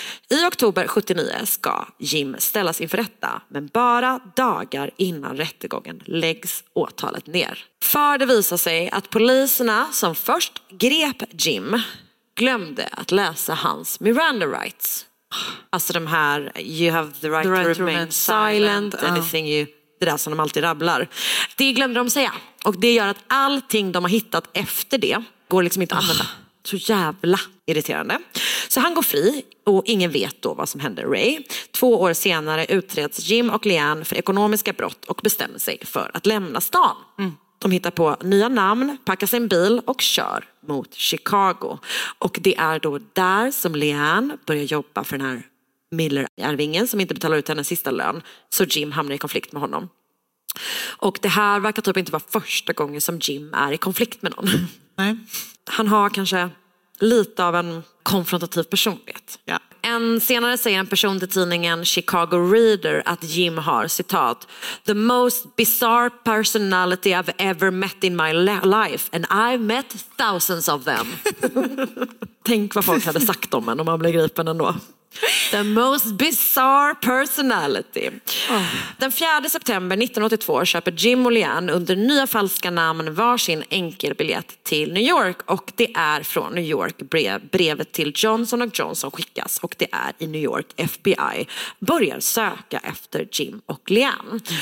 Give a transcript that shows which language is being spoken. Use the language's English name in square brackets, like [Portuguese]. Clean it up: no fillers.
[Swedish] I oktober 79 ska Jim ställas inför rätta, men bara dagar innan rättegången läggs åtalet ner. För det visar sig att poliserna som först grep Jim glömde att läsa hans Miranda rights. Alltså de här, [English] you have the right to remain silent, anything you... [Swedish] Det där som de alltid rabblar. Det glömde de säga. Och det gör att allting de har hittat efter det går liksom inte att använda. Så jävla irriterande. Så han går fri och ingen vet då vad som händer Ray. 2 år senare utreds Jim och Leanne för ekonomiska brott och bestämmer sig för att lämna stan. Mm. De hittar på nya namn, packar sin bil och kör mot Chicago. Och det är då där som Leanne börjar jobba för den här Miller-arvingen som inte betalar ut hennes sista lön. Så Jim hamnar i konflikt med honom. Och det här verkar typ inte vara första gången som Jim är i konflikt med någon. Nej. Han har kanske lite av en konfrontativ personlighet. Ja. En senare säger en person till tidningen Chicago Reader att Jim har, citat, [English] "the most bizarre personality I've ever met in my life, and I've met thousands of them." [Swedish] Tänk vad folk hade sagt om en om man blev gripen ändå. [English] The most bizarre personality. [Swedish] Den 4 september 1982 köper Jim och Leanne under nya falska namn varsin enkelbiljett till New York. Och det är från New York brevet till Johnson & Johnson skickas. Och det är i New York FBI börjar söka efter Jim och Leanne.